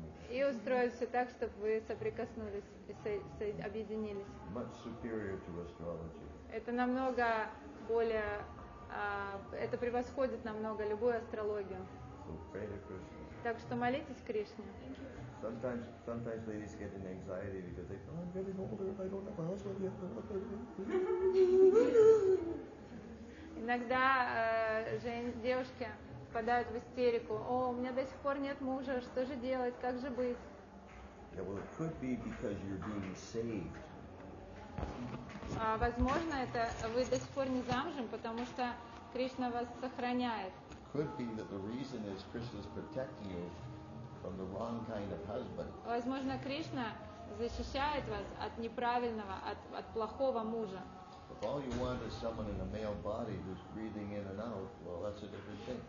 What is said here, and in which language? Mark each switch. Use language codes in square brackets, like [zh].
[ru] И устроил все так, чтобы вы соприкоснулись и объединились. [en] Much superior to astrology. [ru] Это намного более, это превосходит намного любую астрологию. [en] So pray to Krishna. [ru] Так что молитесь Кришне. [en] Sometimes ladies get an anxiety because they think, oh, I'm getting older, I don't have a husband yet. [ru] Иногда девушки впадают в истерику. О, у меня до сих пор нет мужа, что же делать, как же быть? [en] Yeah, well, it could be because you're being saved. [ru] Возможно, это вы до сих пор не замужем, потому что Кришна вас сохраняет. [en] Could be that the reason is Krishna's protecting you from the wrong kind of husband. [ru] Возможно, Кришна защищает вас от неправильного, от плохого мужа. [en] If all you want is someone in a male body who's breathing in and out, well, that's a different thing.